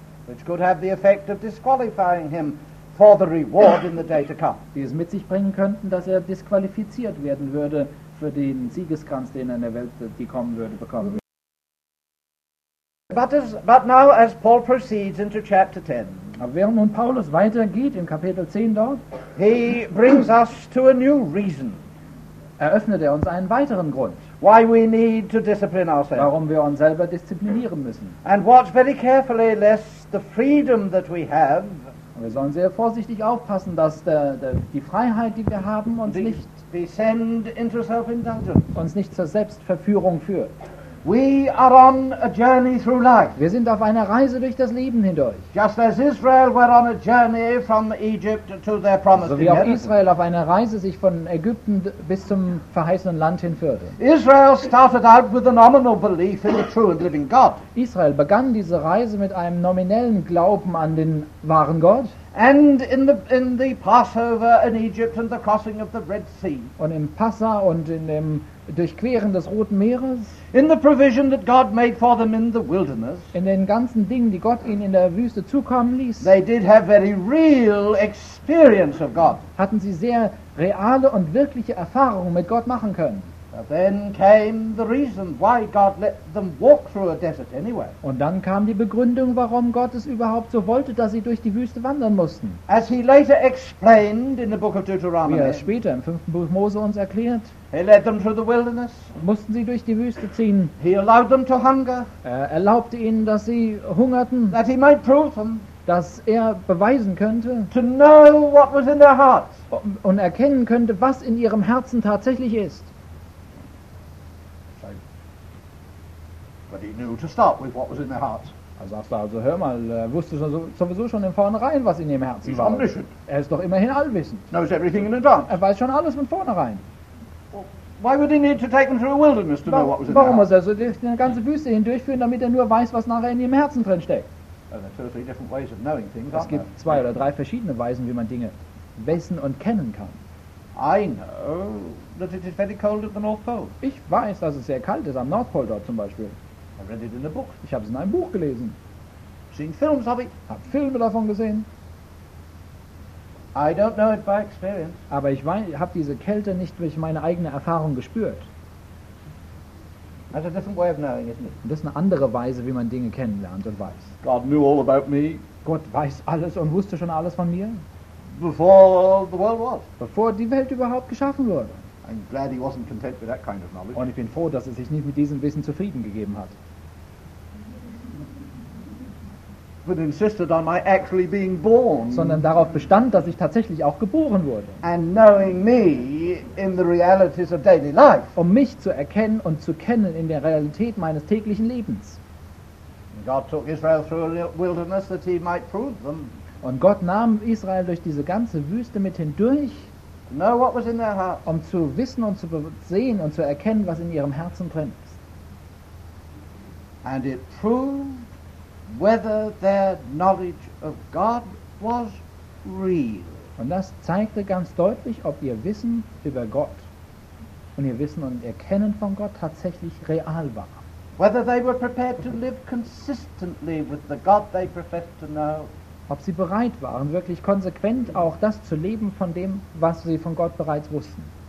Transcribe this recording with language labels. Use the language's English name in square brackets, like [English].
[English] Which could have the effect of disqualifying him for the reward in the day to come. [German] Die es mit sich bringen könnten, dass er disqualifiziert werden würde für den Siegeskranz, den er in der Welt, die kommen würde, bekommen würde. [English] But now as Paul proceeds into chapter 10. [German] Aber während nun Paulus weitergeht im Kapitel 10 dort, [English] he brings us to a new reason. [German] Eröffnet er uns einen weiteren Grund, [English] why we need to discipline ourselves. [German] Warum wir uns selber disziplinieren müssen. [English] And watch very carefully lest the freedom that we have. [German] Wir sollen sehr vorsichtig aufpassen, dass die Freiheit, die wir haben, uns nicht [English] send into self-indulgence. [German] Uns nicht zur Selbstverführung führt. [English] We are on a journey through life. [German] Wir sind auf einer Reise durch das Leben hindurch. [English] Just as Israel were on a journey from Egypt to their promised land. [German] So wie auch Israel auf einer Reise sich von Ägypten bis zum verheißenen Land hinführte. [English] Israel started out with a nominal belief in the true and living God. [German] Israel begann diese Reise mit einem nominellen Glauben an den wahren Gott. [English] And in the Passover in Egypt and the crossing of the Red Sea. [German] Und im Passa und in dem Durchqueren des Roten Meeres. [English] In the provision that God made for them in the wilderness. [German] In den ganzen Dingen, die Gott ihnen in der Wüste zukommen ließ. [English] They did have very real experience of God. [German] Hatten sie sehr reale und wirkliche Erfahrungen mit Gott machen können. [English] But then came the reason why God let them walk through a desert anyway. [German] Und dann kam die Begründung, warum Gott es überhaupt so wollte, dass sie durch die Wüste wandern mussten. [English] As he later explained in the book of Deuteronomy. [German] Wie er es später im 5. Buch Mose uns erklärt. [English] He led them through the wilderness. [German] Mussten sie durch die Wüste ziehen. [English] He allowed them to hunger. [German] Er erlaubte ihnen, dass sie hungerten. [English] That he might prove them. [German] Dass er beweisen könnte. [English] To know what was in their hearts. [German] Und erkennen könnte, was in ihrem Herzen tatsächlich ist. [English] But he knew to start with what was in their hearts. [German] Er sagte also, hör mal, er wusste sowieso schon im Vornherein, was in ihrem Herzen [English] He's [German] war. [English] Omniscient. [German] Er ist doch immerhin allwissend. [English] Knows everything in advance. [German] Er weiß schon alles von vornherein. [English] Why would he need to take them through a wilderness to know what was in their hearts? [German] Warum muss er so eine ganze Wüste hindurchführen, damit er nur weiß, was nachher in ihrem Herzen drin steckt? [English] Well, [German] es gibt zwei oder drei verschiedene Weisen, wie man Dinge wissen und kennen kann. [English] I know that it is very cold at the North Pole. [German] Ich weiß, dass es sehr kalt ist am Nordpol dort zum Beispiel. [English] I read it in a book. [German] Ich habe es in einem Buch gelesen. [English] Seen films, [German] habe ich. Hab Filme davon gesehen. [English] I don't know it by experience. [German] Aber ich habe diese Kälte nicht durch meine eigene Erfahrung gespürt. [English] That's a different way of knowing, isn't it? [German] Und das ist eine andere Weise, wie man Dinge kennenlernt und weiß. [English] God knew all about me. [German] Gott weiß alles und wusste schon alles von mir. [English] Before the world was. [German] Bevor die Welt überhaupt geschaffen wurde. [English] I'm glad he wasn't content with that kind of knowledge. [German] Und ich bin froh, dass er sich nicht mit diesem Wissen zufrieden gegeben hat. [English] But insisted on my actually being born. [German] Sondern darauf bestand, dass ich tatsächlich auch geboren wurde. [English] And knowing me in the realities of daily life. [German] Um mich zu erkennen und zu kennen in der Realität meines täglichen Lebens. [English] God took Israel through a wilderness that he might prove them. [German] Und Gott nahm Israel durch diese ganze Wüste mit hindurch. [English] Know what was in their heart. [German] Um zu wissen und zu sehen und zu erkennen, was in ihrem Herzen drin ist. [English] And it proved whether their knowledge of God was real. [German] Und das zeigte ganz deutlich, ob ihr Wissen über Gott und ihr Wissen und Erkennen von Gott tatsächlich real war. [English] Whether they were prepared to live consistently with the God they professed to know. [German] Ob sie bereit waren, wirklich konsequent auch das zu leben von dem, was sie von Gott bereits wussten.